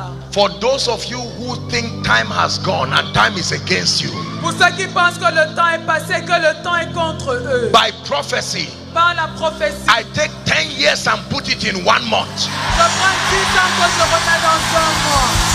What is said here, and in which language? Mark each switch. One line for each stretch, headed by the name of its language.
English: For those of you who think time has gone and time is against you,
French: pour ceux qui pensent que le temps est passé, que le temps est contre eux,
English: by prophecy,
French: par la prophétie,
English: I take 10 years and put it in 1 month.
French: Je prends 10 ans pour se remettre dans 1 mois.